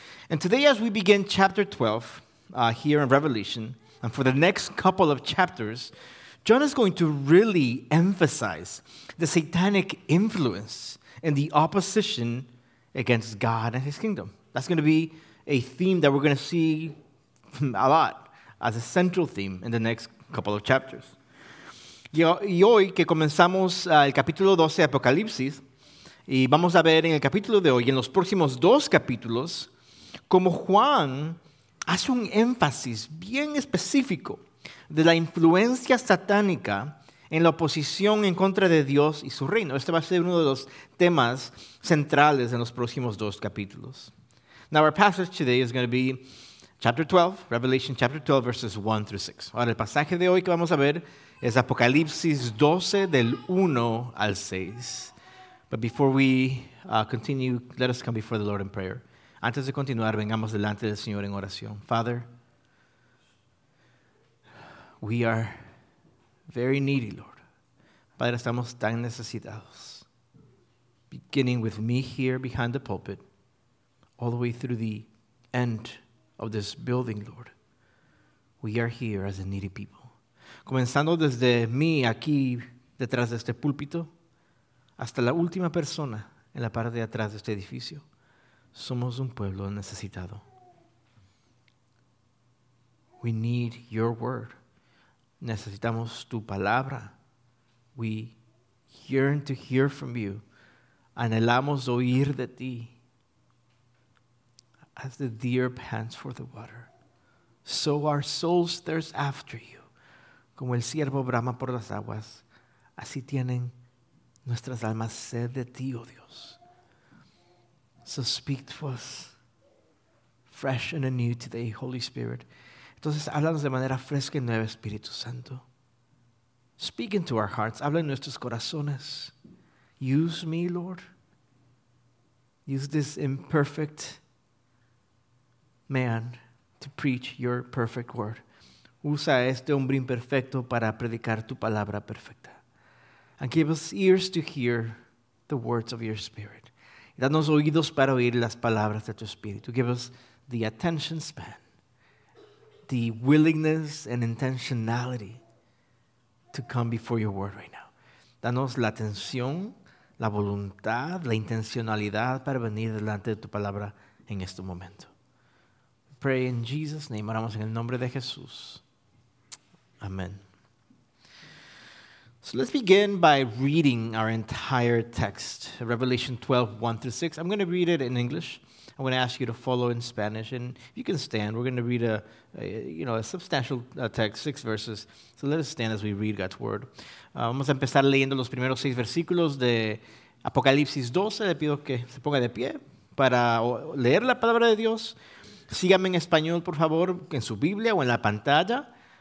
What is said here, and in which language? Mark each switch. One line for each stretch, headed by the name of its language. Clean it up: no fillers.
English: And today, as we begin chapter 12 here in Revelation, and for the next couple of chapters, John is going to really emphasize the satanic influence and the opposition against God and his kingdom. That's going to be a theme that we're going to see a lot as a central theme in the next couple of chapters.
Spanish: Y hoy que comenzamos el capítulo 12 de Apocalipsis, y vamos a ver en el capítulo de hoy, en los próximos dos capítulos, como Juan hace un énfasis bien específico de la influencia satánica en la oposición en contra de Dios y su reino. Este va a ser uno de los temas centrales en los próximos dos capítulos.
English: Now, our passage today is going to be chapter 12, Revelation chapter 12, verses 1 through 6.
Spanish: Ahora, el pasaje de hoy que vamos a ver es Apocalipsis 12, del 1 al 6.
English: But before we continue, let us come before the Lord in prayer.
Spanish: Antes de continuar, vengamos delante del Señor en oración.
English: Father, we are very needy, Lord.
Spanish: Padre, estamos tan necesitados.
English: Beginning with me here behind the pulpit, all the way through the end of this building, Lord, we are here as a needy people.
Spanish: Comenzando desde mí aquí detrás de este púlpito, hasta la última persona en la parte de atrás de este edificio, somos un pueblo necesitado.
English: We need your word.
Spanish: Necesitamos tu palabra.
English: We yearn to hear from you.
Spanish: Anhelamos oír de ti.
English: As the deer pants for the water, so our souls thirst after you.
Spanish: Como el ciervo brama por las aguas, así tienen nuestras almas sed de ti, oh Dios.
English: So speak to us fresh and anew today, Holy Spirit.
Spanish: Entonces, háblanos de manera fresca y nueva, Espíritu Santo.
English: Speak into our hearts.
Spanish: Habla en nuestros corazones.
English: Use me, Lord. Use this imperfect man to preach your perfect word.
Spanish: Usa este hombre imperfecto para predicar tu palabra perfecta.
English: And give us ears to hear the words of your Spirit.
Spanish: Danos oídos para oír las palabras de tu Espíritu.
English: Give us the attention span, the willingness and intentionality to come before your word right now.
Spanish: Danos la atención, la voluntad, la intencionalidad para venir delante de tu palabra en este momento.
English: Pray in Jesus' name.
Spanish: Oramos en el nombre de Jesús. Amen.
English: So let's begin by reading our entire text, Revelation 12, 1 through 6. I'm going to read it in English. I'm going to ask you to follow in Spanish, and if you can stand, we're going to read a substantial text, 6 verses. So let us stand as we read God's word.
Spanish: Vamos a empezar leyendo los primeros 6 versículos de Apocalipsis 12. Le pido que se ponga de pie para leer la palabra de Dios. Sígame en español, por favor, en su Biblia o en la pantalla.